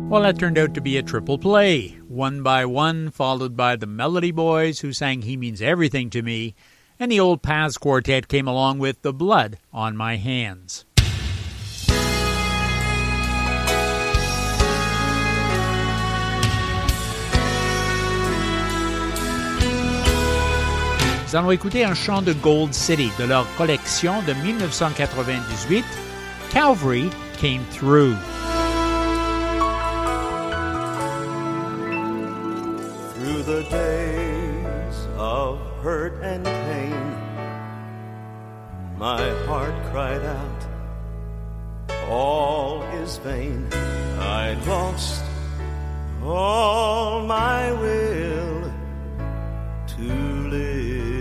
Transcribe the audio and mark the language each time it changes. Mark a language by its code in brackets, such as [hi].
[en] That turned out to be a triple play, One by One, followed by the Melody Boys, who sang He Means Everything to Me, and the Old Paths Quartet came along with The Blood on My Hands. [fr] Nous allons écouter un chant de Gold City de leur collection de 1998, Calvary Came Through. [en] The days of hurt and pain, my heart cried out, all is vain. I lost all my will to live.